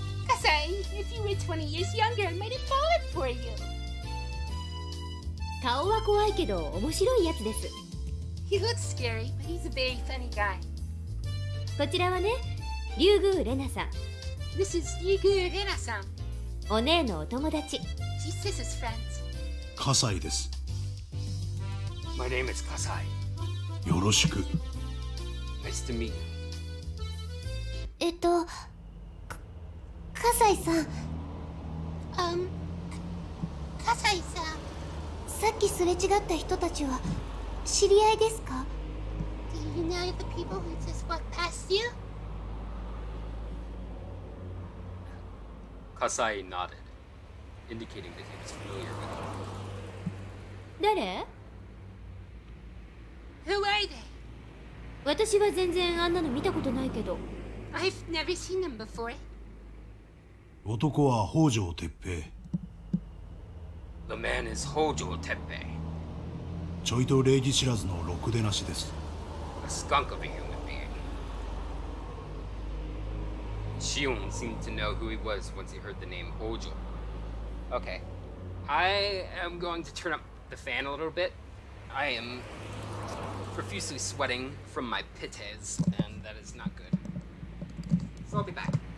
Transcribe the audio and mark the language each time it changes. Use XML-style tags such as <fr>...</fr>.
<en>Kasai, if you were 20 years younger, I might have fallen for you.</en> <ja>顔は怖いけど面白いやつです。</ja> <en>He looks scary, but he's a very funny guy.</en> <ja>こちらはね、リュウグウレナさん。</ja> <en>This is リュウグウレナさん。</en> <ja>お姉のお友達。</ja> <en>She's sister's friend.</en> <ja>カサイです。</ja> <en>My name is Kasai.</en> <ja>よろしく。</ja> <en>Nice to meet you.</en> <ja>カサイさん。カサイさん。さっきすれ違った人たちは知り合いですか?</ja> <en>Do you know the people who just walked past you? Kasai nodded, indicating that he was familiar with them.</en> <ja>誰?</ja> <en>Who are they?</en> <ja>私は全然あんなの見たことないけど。</ja> <en>I've never seen them before.</en> <ja>男は北条鉄平。</ja> <en>The man is Hojo Tepe.</en> <ja>ちょいと礼儀知らずのろくでなしです。</ja> <en>A skunk of a human being. Shion seemed to know who he was once he heard the name Hojo. Okay. I am going to turn up the fan a little bit. I am profusely sweating from my pites, and that is not good. So I'll be back.</en>